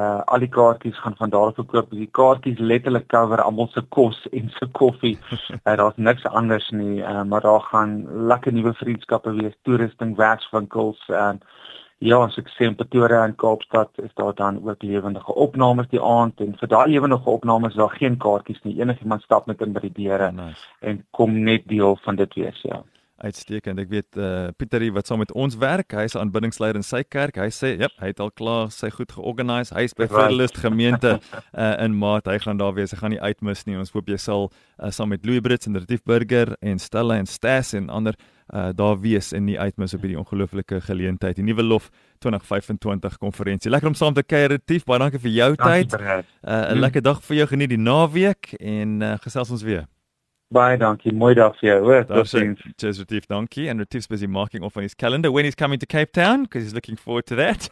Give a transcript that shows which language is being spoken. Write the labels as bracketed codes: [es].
[af] Al die kaartjies gaan van daar verkoop. Die kaartjies letterlik cover almal se kos en se koffie. Daar is niks anders nie. Maar daar gaan lekker nuwe vriendskappe wees. Toerusting, werkswinkels. Soos ek sê, in Pretoria en Kaapstad is daar dan ook lewendige opnames die aand. En vir daai lewendige opnames is daar geen kaartjies nie. Enigiemand stap met in by die deure. Nice. En kom net deel van dit wees, ja. Uitstekend. Ek weet, Pieterie, wat saam met ons werk, hy is aanbiddingsleier in sy kerk, hy sê, yep, hy het al klaar, sy goed georganiseer, hy is by Verlust gemeente in Maart, hy gaan daar wees, hy gaan nie uitmis nie, ons hoop jy sal saam met Louis Brits en Retief Burger en Stella en Stas en ander daar wees en nie uitmis op die ongelooflike geleentheid, die Nuwe Lof 2025 konferentie. Lekker om saam te kuier, Retief, baie dankie vir jou tyd, lekker dag vir jou, geniet die naweek en gesels ons weer. Bye, donkey. Mooi dag vir jou. Cheers, Retief. Donkey. [en] And Retief's busy marking off on his calendar when he's coming to Cape Town, because he's looking forward to that.